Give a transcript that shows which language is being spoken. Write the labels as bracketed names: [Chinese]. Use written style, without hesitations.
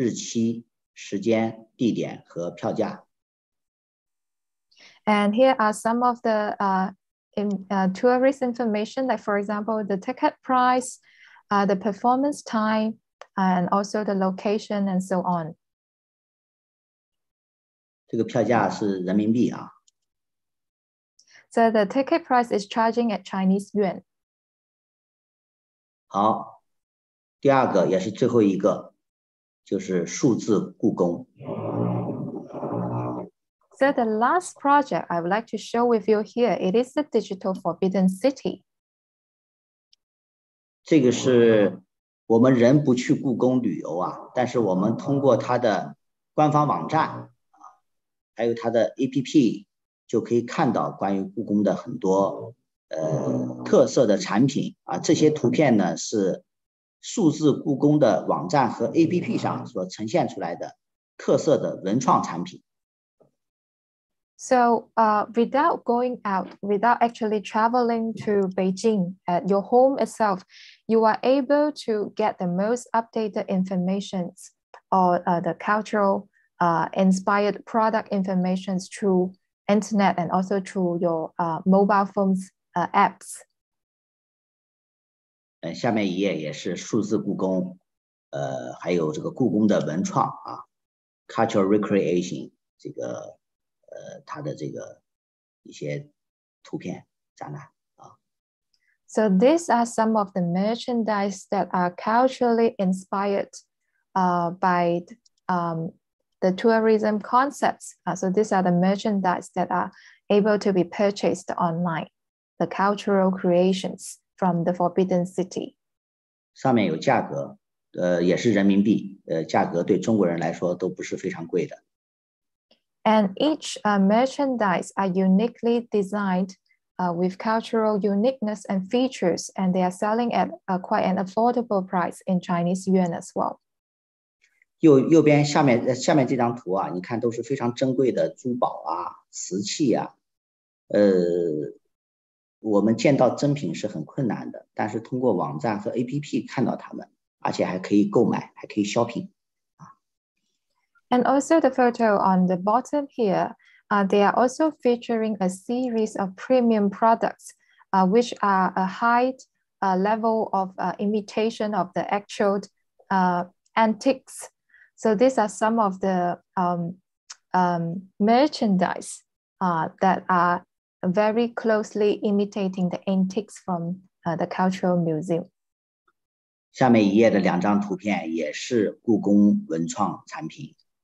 [Chinese] 下一页是关于它的日期、时间、地点和票价。 [English] And here are some of the tourist information, like for example, the ticket price, the performance time, and also the location and so on. [Chinese] 这个票价是人民币啊。 [English] So the ticket price is charging at Chinese yuan. [Chinese] 好, 第二个也是最后一个, 就是数字故宫。 [English] So the last project I would like to show with you here, it is the Digital Forbidden City. [Chinese] 这个是我们人不去故宫旅游啊, 但是我们通过它的官方网站, 还有它的APP, 就可以看到关于故宫的很多特色的产品，这些图片呢，是数字故宫的网站和APP上所呈现出来的特色的文创产品。 [English] So without going out, without actually traveling to Beijing, at your home itself, you are able to get the most updated information or the cultural inspired product information through internet and also through your mobile phones apps. [Chinese] 下面一页也是数字故宫, 还有这个故宫的文创, [English] cultural recreation, [Chinese] 这个, 它的这个一些图片展览, [English] So these are some of the merchandise that are culturally inspired by the tourism concepts. So these are the merchandise that are able to be purchased online, the cultural creations from the Forbidden City. [Chinese] 上面有价格, 也是人民币, 价格对中国人来说都不是非常贵的。 [English] And each merchandise are uniquely designed with cultural uniqueness and features, and they are selling at quite an affordable price in Chinese yuan as well. [Chinese] 右边下面这张图啊, 你看都是非常珍贵的珠宝啊, 瓷器啊, 我们见到真品是很困难的, 但是通过网站和APP看到它们, 而且还可以购买, 还可以shopping。 [English] And also the photo on the bottom here, they are also featuring a series of premium products, which are a high level of imitation of the actual antiques. So these are some of the merchandise that are very closely imitating the antiques from the cultural museum. [Chinese] 下面一页的两张图片也是故宫文创产品。